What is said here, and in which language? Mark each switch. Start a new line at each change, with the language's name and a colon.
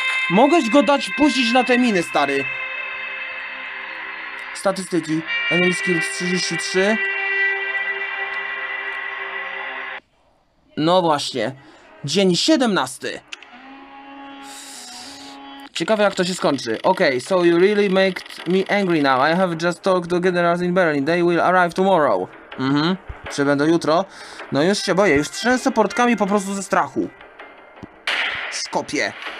Polish: Mogę go dać puścić na te miny, stary. Statystyki.
English: Enemy skill 33.
Polish: No właśnie. Dzień 17. Ciekawe, jak to się skończy.
English: Okej, so you really make me angry now. I have just talked to generals in Berlin. They will arrive tomorrow.
Polish: Mhm. Przybędę jutro. No już się boję. Już trzęsę portkami po prostu ze strachu. Skopię.